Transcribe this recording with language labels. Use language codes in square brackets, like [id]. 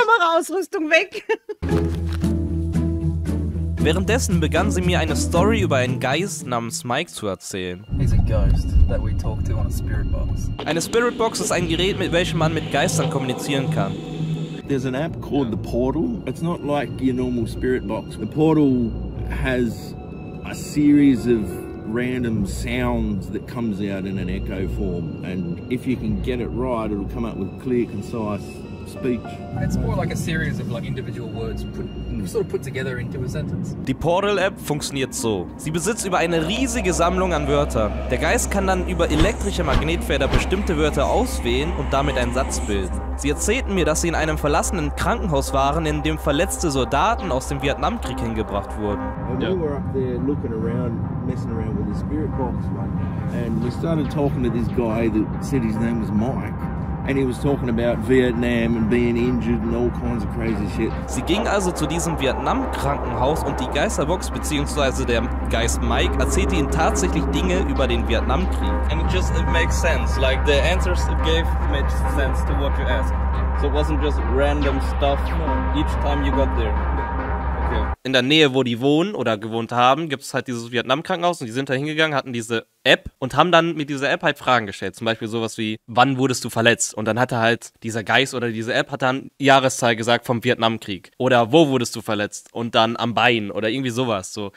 [de] Kameraausrüstung weg. Währenddessen begann sie mir eine Story über einen Geist namens Mike zu erzählen. [en] He's a ghost that we talk to on a spirit box. [de] Eine Spirit Box ist ein Gerät, mit welchem man mit Geistern kommunizieren kann. [en] There's an app called The Portal. It's not like your normal spirit box. The Portal has a series of random sounds that comes out in an echo form. And if you can get it right, it'll come out with clear, concise speech. It's more like a series of like individual words sort of put together into a sentence. [de] Die Portal App funktioniert so. Sie besitzt über eine riesige Sammlung an Wörtern. Der Geist kann dann über elektrische Magnetfelder bestimmte Wörter auswählen und damit einen Satz bilden. Sie erzählten mir, dass sie in einem verlassenen Krankenhaus waren, in dem verletzte Soldaten aus dem Vietnamkrieg hingebracht wurden. [en] And we were up there looking around, messing around with the spirit box, and we started talking to this guy that said his name was Mike. And he was talking about Vietnam and being injured and all kinds of crazy shit. [de] Sie ging also zu diesem Vietnam-Krankenhaus und die Geisterbox beziehungsweise der Geist Mike erzählte ihnen tatsächlich Dinge über den Vietnamkrieg. [en] And it makes sense. Like the answers it gave made sense to what you asked. So it wasn't just random stuff each time you got there. Okay. [de] in der Nähe, wo die wohnen oder gewohnt haben, gibt es halt dieses Vietnam-Krankenhaus und die sind da hingegangen, hatten diese App und haben dann mit dieser App halt Fragen gestellt. Zum Beispiel sowas wie, wann wurdest du verletzt? Und dann hatte halt dieser Geist oder diese App hat dann Jahreszahl gesagt vom Vietnamkrieg. Oder wo wurdest du verletzt? Und dann am Bein oder irgendwie sowas. So.